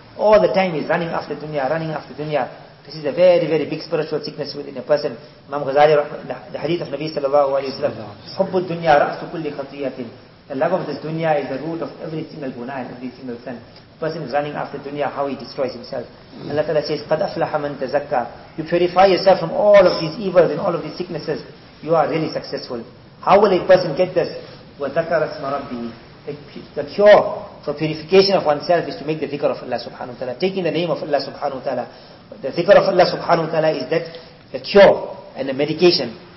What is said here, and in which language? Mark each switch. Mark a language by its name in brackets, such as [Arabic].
[English] All the time he's running after dunya, running after dunya. This is a very, very big spiritual sickness within a person. Imam Ghazali, the hadith of Nabi sallallahu alayhi wa sallam, [Arabic] حُبُّ الدُّنْيَا رَأْسُ كُلِّ خَطِيَّةٍ. [English] The love of this dunya is the root of every single guna and every single sin. Person is running after dunya, how he destroys himself. Allah Ta'ala says, [Arabic] قَدْ أَفْلَحَ مَنْ تَزَكَّى. [English] You purify yourself from all of these evils and all of these sicknesses. You are really successful. How will a person get this? [Arabic] وَذَكَرَ اسْمَ رَبِّهِ. [English] The cure for purification of oneself is to make the dhikr of Allah subhanahu wa ta'ala. Taking the name of Allah subhanahu wa ta'ala. The dhikr of Allah subhanahu wa ta'ala is that the cure and the medication.